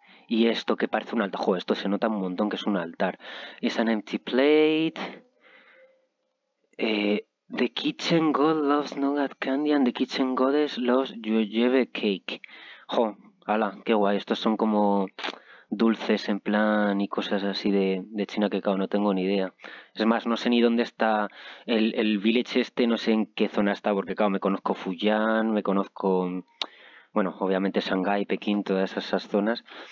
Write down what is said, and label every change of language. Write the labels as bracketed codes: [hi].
[es] Y esto que parece un altar. Joder, esto se nota un montón que es un altar. [en] Es an empty plate. The kitchen god loves nougat candy and the kitchen goddess loves yuyebe cake. [es] Jo, ala, qué guay. Estos son como dulces en plan y cosas así de China que, claro, no tengo ni idea. Es más, no sé ni dónde está el village este, no sé en qué zona está, porque, claro, me conozco Fujian, me conozco, bueno, obviamente Shanghai, Pekín, todas esas zonas.